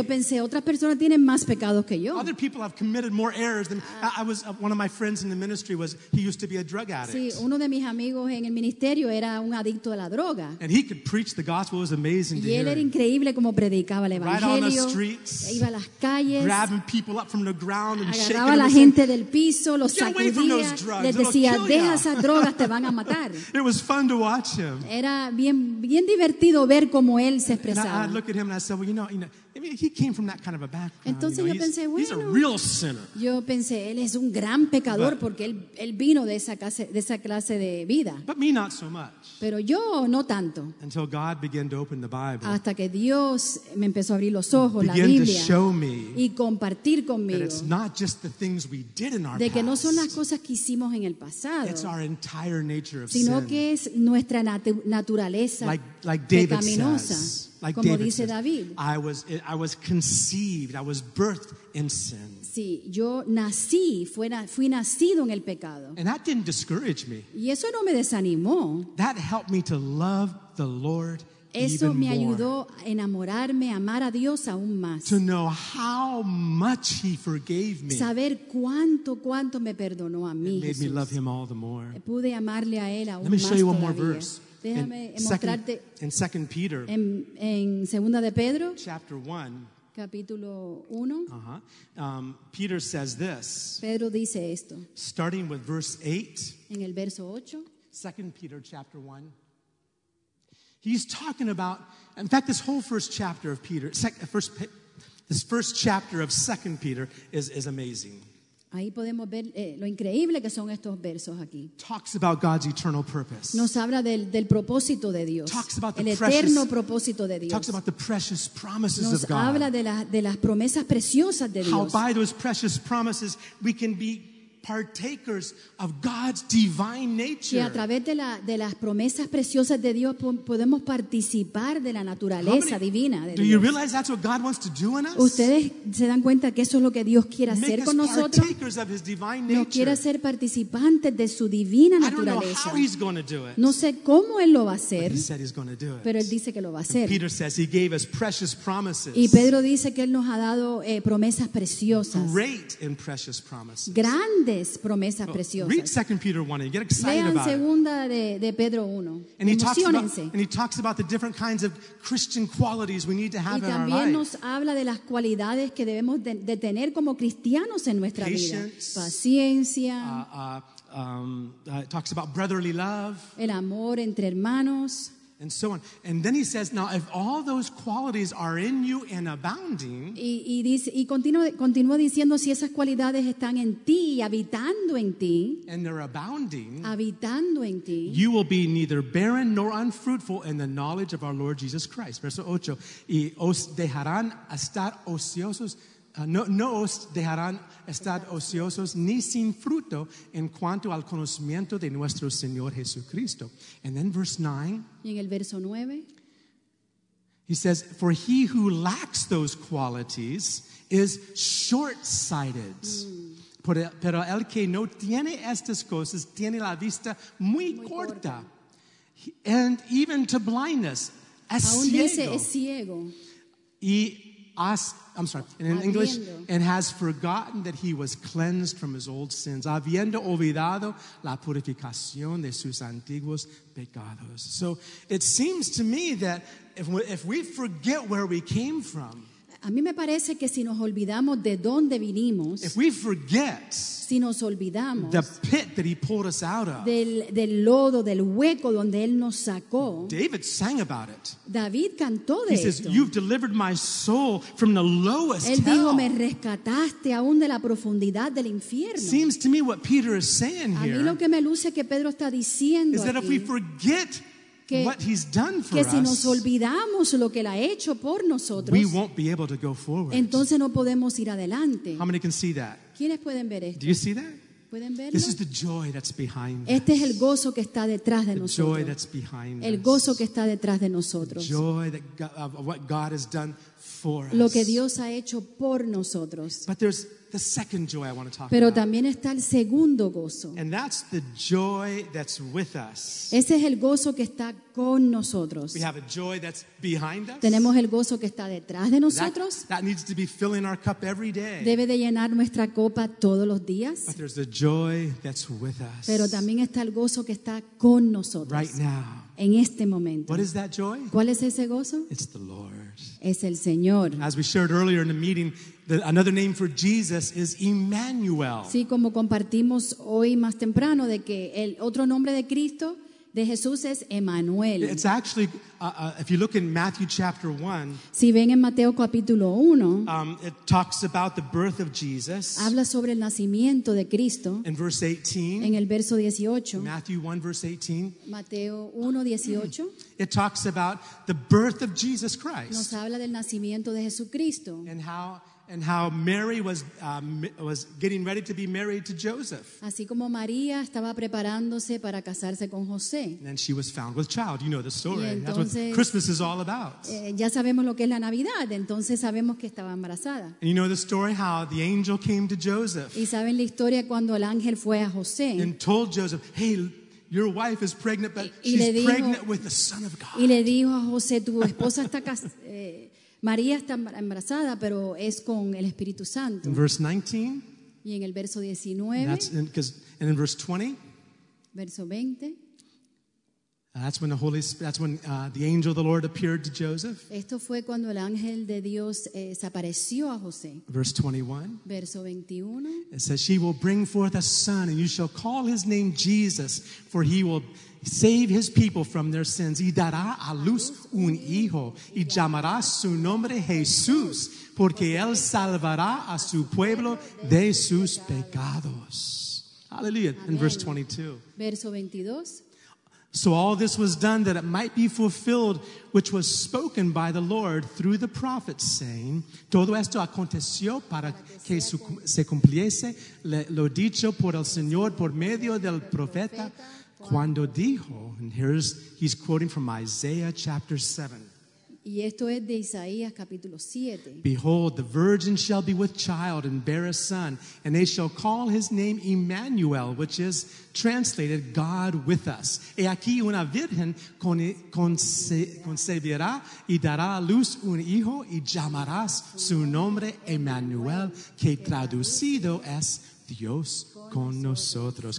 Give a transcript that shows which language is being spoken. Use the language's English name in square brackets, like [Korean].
[Spanish] Yo pensé, otras personas tienen más pecados que yo. [English] Other people have committed more errors than I was. One of my friends in the ministry he used to be a drug addict. [Spanish] Sí, uno de mis amigos en el ministerio era un adicto a la droga. [English] And he could preach the gospel. It was amazing to hear. [Spanish] Y él era increíble como predicaba el evangelio. [English] Right on the streets. [Spanish] Iba a las calles. [English] Grabbing people up from the ground and shaking them. [Spanish] Agarraba a la gente del piso, los sacudía. Les decía, deja esas drogas, te van a matar. [English] It was fun to watch him. [Spanish] Era bien divertido ver cómo él se expresaba. [English] And I look at him. And I said, well, you know, he came from that kind of a background. [Spanish] Entonces, [English] you know, [Spanish] yo pensé, [English] he's a real sinner. [Spanish] Yo pensé, él es un gran pecador porque él vino de esa clase de vida. [English] But me not so much. [Spanish] Pero yo no tanto. [English] Until God began to open the Bible. [Spanish] Hasta que Dios me empezó a abrir los ojos, la Biblia. [English] Began to show me. [Spanish] Y compartir conmigo. [English] That it's not just the things we did in our past. [Spanish] De que no son las cosas que hicimos en el pasado. [English] It's our entire nature of [Spanish] sino [English] sin. [Spanish] Sino que es nuestra naturaleza [English] like David [Spanish] pecaminosa. [English] Says. Like [Spanish] como David dice [English] says, David, I was conceived, I was birthed in sin. [Spanish] Sí, yo nací, fui nacido en el pecado. [English] And that didn't discourage me. [Spanish] Y eso no me desanimó. [English] That helped me to love the Lord [Spanish] eso [English] even [Spanish] me ayudó [English] more. [Spanish] A enamorarme, amar a Dios aún más. [English] To know how much he forgave me. [Spanish] Saber cuánto me perdonó a mí. [English] It made [Spanish] Jesús. [English] Me love him all the more. [Spanish] Pude amarle a él aún más. [English] Let me show [Spanish] todavía. [English] You one more verse. In 2 Peter, [Spanish] en segunda de Pedro, [English] chapter 1, [Spanish] capítulo uno, [English] Peter says this, [Spanish] Pedro dice esto, [English] starting with verse 8, [Spanish] en el verso 8, [English] 2 Peter chapter 1, he's talking about, in fact, this whole first chapter of Peter, this first chapter of 2 Peter is amazing. [Spanish] Ahí podemos ver lo increíble que son estos versos aquí. [English] Talks about God's eternal purpose. [Spanish] Nos habla del propósito de Dios. [English] Talks about the [Spanish] el [English] precious, [Spanish] eterno propósito de Dios. [English] Talks about the precious promises [Spanish] nos [English] of God. [Spanish] Habla de las promesas preciosas de Dios. [English] How by those precious promises we can be partakers of God's divine nature. [Spanish] Y a través de las promesas preciosas de Dios podemos participar de la naturaleza [English] many, [Spanish] divina de [English] do [Spanish] Dios. [English] Do you realize that's what God wants to do in us? [Spanish] ¿Ustedes se dan cuenta que eso es lo que Dios quiere [English] make [Spanish] hacer con nosotros? [English] Make us partakers of his divine nature. [Spanish] Nos quiere hacer participantes de su divina naturaleza. [English] I don't know how he's going to do it. [Spanish] No sé cómo él lo va a hacer. [English] But he said he's going to do it. [Spanish] Pero él dice que lo va a hacer. [English] And Peter says he gave us precious promises. [Spanish] Y Pedro dice que él nos ha dado promesas preciosas. [English] Great and precious promises. [Spanish] Grandes promesas preciosas. [English] Read 2 Peter 1 and get excited [Spanish] lean [English] about it. [Spanish] De Pedro 1. [English] And he talks about the different kinds of Christian qualities we need to have in our life. [Spanish] Y también nos habla de las cualidades que debemos de tener como cristianos en nuestra [English] patience, [Spanish] vida. Paciencia. [English] It talks about brotherly love. [Spanish] El amor entre hermanos. [English] And so on. And then he says, now if all those qualities are in you and abounding, [Spanish] y continúa diciendo si esas cualidades están en ti y habitando en ti, [English] and they're abounding, [Spanish] habitando en ti, [English] you will be neither barren nor unfruitful in the knowledge of our Lord Jesus Christ. [Spanish] Verso 8, y os dejarán estar ociosos no os dejarán estar ociosos ni sin fruto en cuanto al conocimiento de nuestro Señor Jesucristo. [English] And then verse 9. [Spanish] Y en el verso 9. [English] He says, for he who lacks those qualities is short-sighted. [Spanish] Pero el que no tiene estas cosas tiene la vista muy corta. [English] And even to blindness, [Spanish] es ciego. [English] And has forgotten that he was cleansed from his old sins, [Spanish] habiendo olvidado la purificación de sus antiguos pecados. [English] So it seems to me that if we forget where we came from, [Spanish] a mí me parece que si nos olvidamos de dónde vinimos, [English] if we forget, [Spanish] si nos olvidamos, [English] the pit that he pulled us out of, [Spanish] del lodo, del hueco donde él nos sacó, [English] David sang about it. [Spanish] David cantó de esto. [English] He says, "You've delivered my soul from the lowest hell." [Spanish] Él dijo, "Me rescataste aún de la profundidad del infierno." [English] Seems to me what Peter is saying here. [Spanish] A mí lo que me luce que Pedro está diciendo [English] is that if we forget what he's done for [Spanish] que si [English] us, [Spanish] nos olvidamos lo que él ha hecho por nosotros, [English] we won't be able to go forward. [Spanish] Entonces no podemos ir adelante. [English] How many can see that? [Spanish] ¿Quiénes pueden ver esto? [English] Do you see that? [Spanish] ¿Pueden verlo? [English] This is the joy that's behind us. [Spanish] Este es el gozo que está detrás de [English] the [Spanish] nosotros. [English] Joy that's behind [Spanish] el gozo que está detrás de nosotros. [English] The joy that God, of what God has done for [Spanish] lo Lo que Dios ha hecho por nosotros. [English] But there's the second joy I want to talk [Spanish] pero [English] about. [Spanish] Pero también está el segundo gozo. [English] And that's the joy that's with us. [Spanish] Ese es el gozo que está con nosotros. [English] We have a joy that's behind us. [Spanish] Tenemos el gozo que está detrás de nosotros. [English] That needs to be filling our cup every day. [Spanish] Debe de llenar nuestra copa todos los días. [English] But there's the joy that's with us. [Spanish] Pero también está el gozo que está con nosotros. [English] Right now. [Spanish] En este momento. [English] What is that joy? [Spanish] ¿Cuál es ese gozo? [English] It's the Lord. [Spanish] Es el Señor. [English] As we shared earlier in the meeting, another name for Jesus is Emmanuel. [Spanish] Sí, como compartimos hoy más temprano de que el otro nombre de Cristo, de Jesús, es Emmanuel. [English] It's actually, if you look in Matthew chapter 1, [Spanish] si ven en Mateo capítulo 1, [English] it talks about the birth of Jesus. [Spanish] Habla sobre el nacimiento de Cristo. [English] In verse 18, [Spanish] en el verso 18, [English] Matthew 1 verse 18, [Spanish] Mateo 1, 18, [English] it talks about the birth of Jesus Christ. [Spanish] Nos habla del nacimiento de Jesucristo. [English] And how Mary was getting ready to be married to Joseph. [Spanish] Así como María estaba preparándose para casarse con José. [English] And she was found with child. You know the story. [Spanish] Entonces, [English] that's what Christmas is all about. [Spanish] Ya sabemos lo que es la Navidad. Entonces sabemos que estaba embarazada. [English] And you know the story how the angel came to Joseph. [Spanish] Y saben la historia cuando el ángel fue a José. [English] And told Joseph, hey, your wife is pregnant, but pregnant with the Son of God. [Spanish] Y le dijo a José, tu esposa está casada. María está embarazada, pero es con el Espíritu Santo. [English] In verse 19. [Spanish] Y en el verso 19. [English] And in verse 20. [Spanish] Verso 20. [English] That's when the angel of the Lord appeared to Joseph. [Spanish] Esto fue cuando el ángel de Dios se apareció a José. [English] Verse 21. [Spanish] Verso 21. [English] It says, she will bring forth a son, and you shall call his name Jesus, for he will save his people from their sins. [Spanish] Y dará a luz un hijo, y llamará su nombre Jesús, porque él salvará a su pueblo de sus pecados. [English] Hallelujah. Amen. In verse 22. [Spanish] Verso 22. [English] So all this was done that it might be fulfilled, which was spoken by the Lord through the prophet, saying, [Spanish] todo esto aconteció para que se cumpliese lo dicho por el Señor por medio del profeta, cuando dijo, [English] and here's, he's quoting from Isaiah chapter 7. [Spanish] Y esto es de Isaías capítulo 7. [English] Behold, the virgin shall be with child and bear a son, and they shall call his name Emmanuel, which is translated God with us. [Spanish] He aquí una virgen concebirá y dará a luz un hijo y llamarás su nombre Emmanuel, que traducido es Dios con nosotros.